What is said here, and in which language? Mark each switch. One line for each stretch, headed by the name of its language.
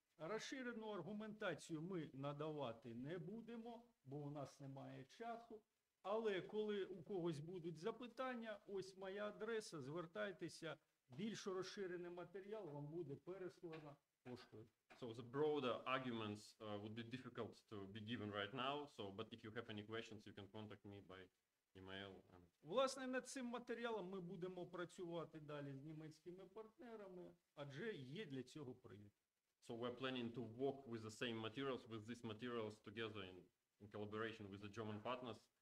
Ukrainian: Розширену аргументацію ми надавати не будемо, бо у нас немає часу. Але коли у когось будуть запитання, ось моя адреса, звертайтеся, більш розширений матеріал вам буде переслано поштою.
English: So the broader arguments would be difficult to be given right now, so but if you have any questions, you can contact me by email.
Ukrainian: Власне, над цим матеріалом ми будемо працювати далі з німецькими партнерами, адже є для цього привід.
English: So we're planning to work with the same materials, with these materials together in collaboration with the German partners.